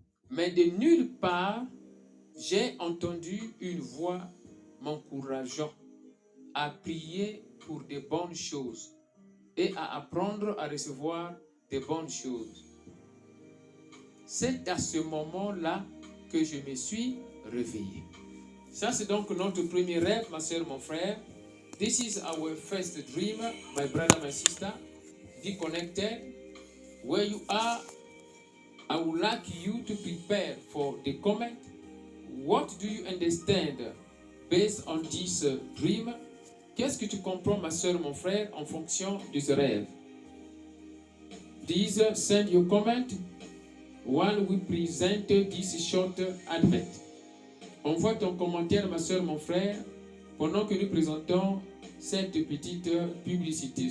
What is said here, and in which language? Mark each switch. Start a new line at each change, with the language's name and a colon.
French: Mais de nulle part, j'ai entendu une voix m'encourageant à prier pour de bonnes choses et à apprendre à recevoir de bonnes choses. C'est à ce moment-là que je me suis réveillé. Ça, c'est donc notre premier rêve, ma soeur, mon frère.
English: This is our first dream, my brother, my sister. Be connected. Where you are, I would like you to prepare for the comment. What do you understand based on this dream?
French: Qu'est-ce que tu comprends, ma soeur, mon frère, en fonction de ce rêve?
English: Please send your comment while we present this short advent.
French: Envoie ton commentaire, ma soeur, mon frère, pendant que nous présentons cette petite publicité.